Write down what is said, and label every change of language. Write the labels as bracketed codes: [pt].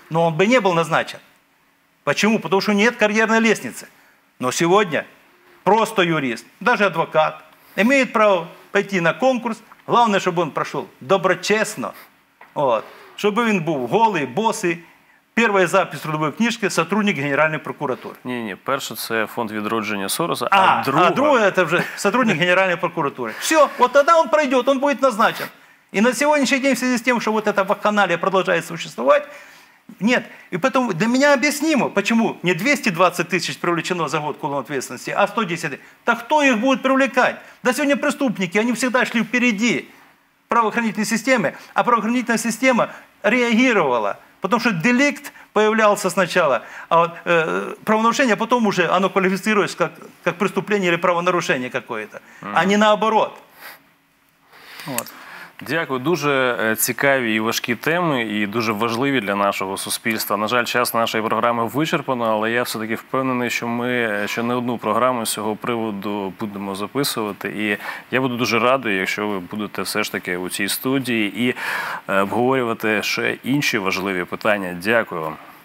[ru] Но он бы не был назначен. Почему? Потому что нет карьерной лестницы. Но сегодня просто юрист, даже адвокат, имеет право пойти на конкурс. Главное, чтобы он прошел доброчестно. Вот. Чтобы он был голый, босый. Первая запись трудовой книжки – сотрудник Генеральной прокуратуры. [uk] Не-не, перша – це фонд відродження Сороса, друга [ru] – это уже сотрудник Генеральной прокуратуры. Все, вот тогда он пройдет, он будет назначен. И на сегодняшний день в связи с тем, что вот эта вакханалия продолжает существовать, нет. И поэтому для меня объяснимо, почему не 220 тысяч привлечено за год к уголовной ответственности, а 110 тысяч. Так кто их будет привлекать? Да сегодня преступники, они всегда шли впереди правоохранительной системы, а правоохранительная система реагировала. Потому что деликт появлялся сначала, а вот, правонарушение, а потом уже оно квалифицируется как преступление или правонарушение какое-то, а не наоборот. [uk] Вот. Дякую. Дуже цікаві і важкі теми, і дуже важливі для нашого суспільства. На жаль, час нашої програми вичерпано, але я все-таки впевнений, що ми ще не одну програму з цього приводу будемо записувати. І я буду дуже радий, якщо ви будете все ж таки у цій студії і обговорювати ще інші важливі питання. Дякую вам.